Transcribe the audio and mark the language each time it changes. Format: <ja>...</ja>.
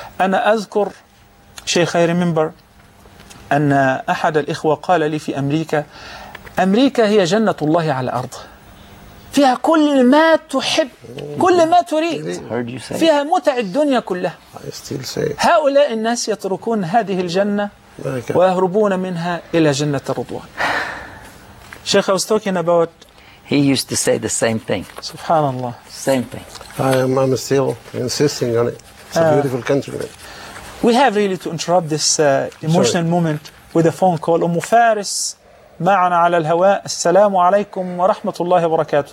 <ar>أنا أذكر شيخ خير منبر أن أحد الإخوة قال لي في أمريكا، أمريكا هي جنة الله على الأرض، فيها كل ما تحب كل ما تريد، فيها متع الدنيا كلها. هؤلاء الناس يتركون هذه الجنة ويهربون منها إلى جنة الرضوان.</ar> <en>شيخ، I was talking about. He used to say the same thing.</en> <ar>سبحان الله.</ar> <en>Same thing. I'm still insisting on it. It's a beautiful country. We have really to interrupt this emotional Sorry. Moment with a phone call.</en> <ar>أم فارس معنا على الهواء. السلام عليكم ورحمة الله وبركاته.</ar>